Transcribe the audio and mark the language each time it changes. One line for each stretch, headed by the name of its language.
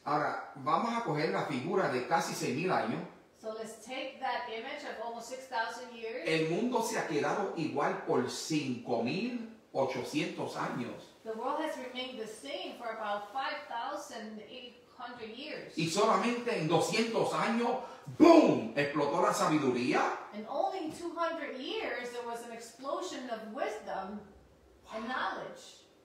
Spanish: Ahora, vamos a coger la figura de casi 6,000 años.
English: So let's take that image of almost 6,000 years.
Spanish: El mundo se ha quedado igual por 5,800 años.
English: The world has remained the same for about 5,800 years.
Spanish: Y solamente en 200 años, boom, explotó la sabiduría.
English: And only in 200 years, there was an explosion of wisdom and knowledge.